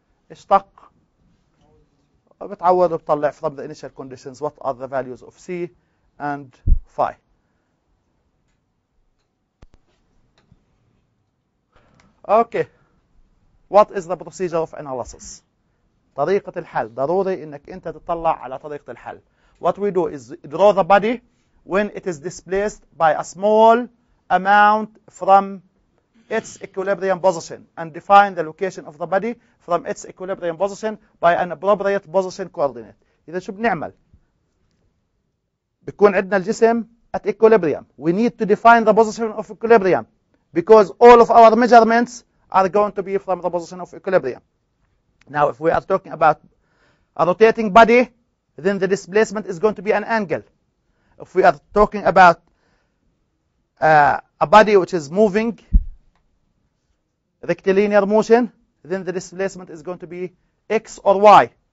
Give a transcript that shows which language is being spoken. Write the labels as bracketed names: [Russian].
[Arabic] اشتق وبتعود وبتطلع [English] from the initial conditions what are the values of c and phi. Okay. What is the procedure of analysis? [Arabic] طريقة الحل. ضروري إنك أنت تطلع على طريقة الحل. [English] What we do is draw the body when it is displaced by a small amount from its equilibrium position and define the location of the body from its equilibrium position by an appropriate position coordinate. [Arabic] إذا شو بنعمل؟ بيكون عندنا الجسم [English] at equilibrium. We need to define the position of equilibrium because all of our measurements are going to be from the position of equilibrium. Now, if we are talking about a rotating body, then the displacement is going to be an angle. If we are talking about a body which is moving, rectilinear motion, then the displacement is going to be x or y.